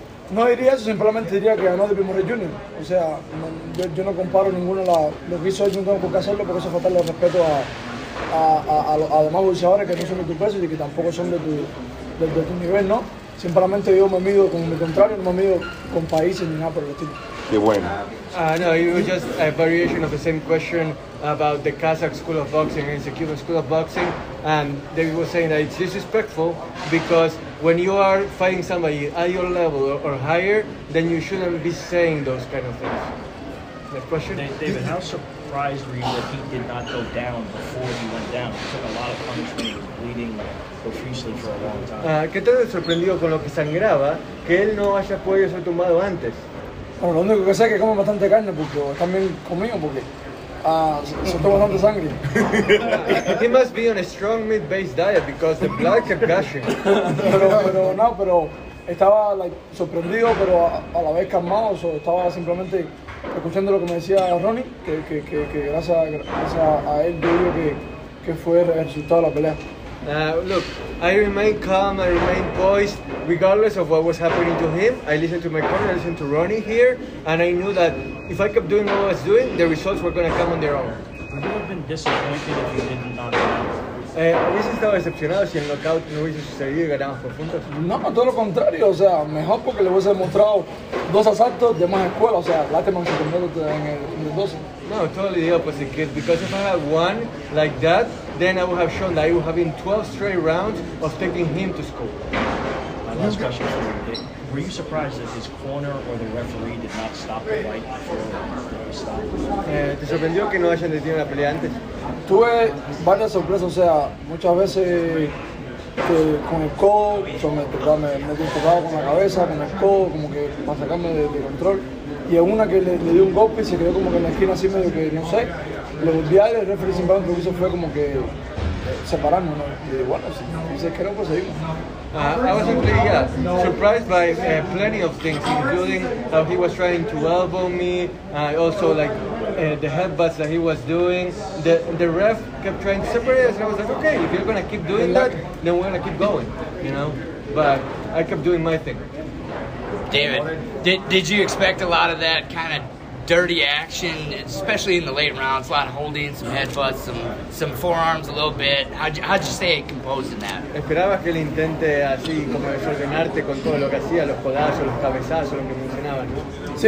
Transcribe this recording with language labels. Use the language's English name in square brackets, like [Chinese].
[Spanish] No diría eso, simplemente diría que ganó de Morrell Jr. O sea, yo no comparo ninguno lo que hizo hoy, no tengo por qué hacerlo porque eso es faltarle respeto a demás boxeadores que no son de tu peso y que tampoco son de tu nivel, ¿no? Simplemente yo me mido con mi contrario, no me mido con países ni nada por el estilo. Qué bueno. [English] No, it was just a variation of the same question about the Kazakh school of boxing and the Cuban school of boxing, and David was saying that it's disrespectful because when you are fighting somebody at your level or higher, then you shouldn't be saying those kind of things. Next question? David, how surprised were you that he did not go down before he went down? He took a lot of punishment, bleeding profusely for a long time. [Spanish] ¿Qué tal te sorprendió con lo que sangraba que él no haya podido ser tumbado antes? Bueno, lo único que sé es que como bastante carne, porque también comido, porque soltó bastante sangre. [English] He must be on a strong meat-based diet, because the blood kept gushing. [Spanish] Pero estaba, like, sorprendido, pero a la vez calmado, so estaba simplemente escuchando lo que me decía Ronnie, que gracias a él yo digo que fue el resultado de la pelea. [English] Look, I remain calm, I remain poised, regardless of what was happening to him. I listened to my corner, I listened to Ronnie here, and I knew that if I kept doing what I was doing, the results were going to come on their own. Would you have been disappointed if you didn't knock him out? [Spanish] Hubiese estado decepcionado si el knockout no hubiese sucedido y ganamos por puntos. No, todo lo contrario, o sea, mejor porque le hubiese demostrado dos asaltos de más escuela, o sea, Latimer se convirtió en el 12. [English] No, totally the opposite, kid, because if I had won like that, then I would have shown that I would have been 12 straight rounds of taking him to school. My last question for you, kid. Were you surprised that his corner or the referee did not stop the fight before the stop? [Spanish] ¿Te sorprendió que no hayan detenido la pelea antes? Tuve varias sorpresas, o sea, muchas veces que con el codo, me tocaba, me tocaba con la cabeza, con el codo, como que para sacarme de control. Y en una que le di un golpe y se quedó como que en la esquina así medio que, no sé, le volví a el referee sin embargo, lo que hizo fue como que separarnos, ¿no? Y bueno, si dices que no, pues seguimos. [English] I was really surprised by plenty of things, including how he was trying to elbow me, also like the headbutts that he was doing. The ref kept trying to separate us, and I was like, okay, if you're going to keep doing that, then we're going to keep going, you know? But I kept doing my thing. David, did you expect a lot of that kind of dirty action, especially in the late rounds, a lot of holding, some headbutts, some forearms a little bit? How'd you stay composed in that? [Spanish] Esperaba que él intente así como desordenarte con todo lo que hacía, los codazos, los cabezazos, lo que mencionaba, ¿no?